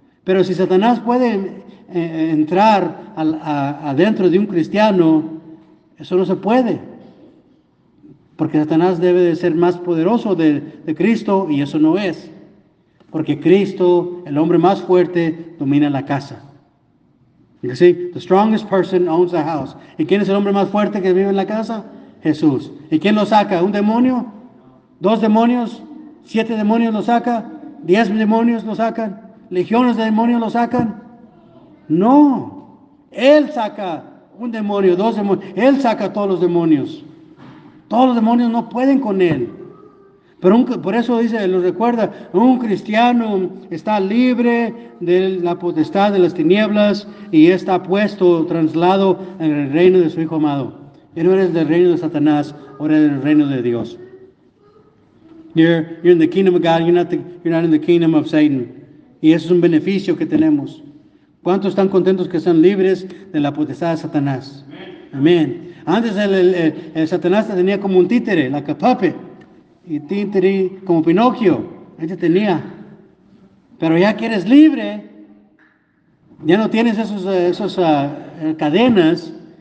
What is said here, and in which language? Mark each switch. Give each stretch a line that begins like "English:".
Spanish: Pero si Satanás puede entrar adentro de un cristiano, eso no se puede. Porque Satanás debe de ser más poderoso de Cristo, y eso no es. Porque Cristo, el hombre más fuerte, domina la casa.
English: You see, the strongest person owns the house.
Spanish: ¿Y quién es el hombre más fuerte que vive en la casa? Jesús. ¿Y quién lo saca? ¿Un demonio? ¿Dos demonios? ¿Siete demonios lo saca? ¿10 demonios lo sacan? ¿Legiones de demonios lo sacan? No. Él saca un demonio, dos demonios. Él saca todos los demonios. Todos los demonios no pueden con él. Pero por eso dice, lo recuerda, un cristiano está libre de la potestad de las tinieblas y está puesto, traslado en el reino de su Hijo amado. Ya no eres del reino de Satanás, ahora eres del reino de Dios.
English: You're in the kingdom of God, you're not in the kingdom of Satan.
Spanish: Y eso es un beneficio que tenemos. ¿Cuántos están contentos que están libres de la potestad de Satanás? Amén. Antes el Satanás te tenía como un títere, la capape. Y títere como Pinocchio, él te tenía. Pero ya que eres libre, ya no tienes esos cadenas.